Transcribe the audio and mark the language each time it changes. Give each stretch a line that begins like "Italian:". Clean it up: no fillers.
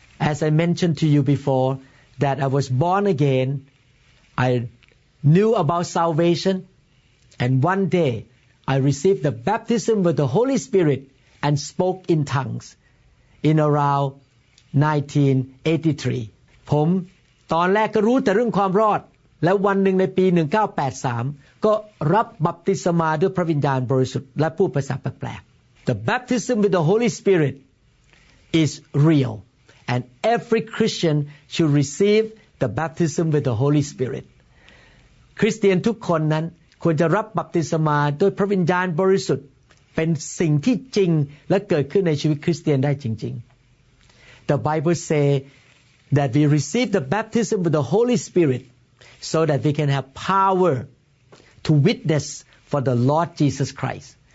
English: As I mentioned to you before, that I was born again, I knew about salvation, and one day I received the baptism with the Holy Spirit and spoke in tongues in around 1983.
Thai: ผมตอนแรกก็รู้แต่เรื่องความรอดและวันหนึ่งในปี1983ก็รับบัพติศมาด้วยพระวิญญาณบริสุทธิ์และพูดภาษาแปลกๆ
English: The baptism with the Holy Spirit is real. And every Christian should receive the baptism with the Holy Spirit.
Thai: คริสเตียนทุกคนนั้นควรจะรับบัพติศมาด้วยพระวิญญาณบริสุทธิ์เป็นสิ่งที่จริงและเกิดขึ้นในชีวิตคริสเตียนได้จริงๆ
English: The Bible say that we receive the baptism with the Holy Spirit so that we can have power to witness for the Lord Jesus Christ.